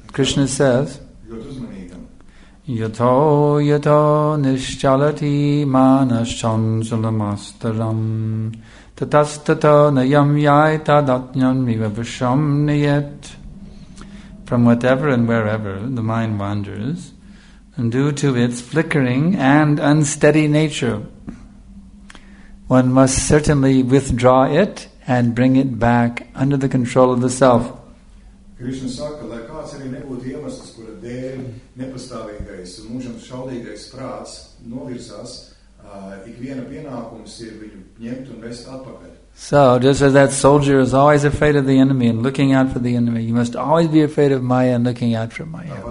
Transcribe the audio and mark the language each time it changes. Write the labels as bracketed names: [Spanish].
[English] Krishna says, [Sanskrit] Yato yato nishchalati manas chanchalamastaram tatastato nayam yaita datnyan vivavisham niyat. [English] From whatever and wherever the mind wanders, and due to its flickering and unsteady nature, one must certainly withdraw it and bring it back under the control of the self. [Latvian] Krishna saka, lai kāds arī nebūtu iemesls, kura dēļ nepastāvīgais un mūžam šaudīgais prāts novirzās, ikviena pienākums ir viņu ņemt un vest atpakaļ. [English] So, just as that soldier is always afraid of the enemy and looking out for the enemy, you must always be afraid of Maya and looking out for Maya.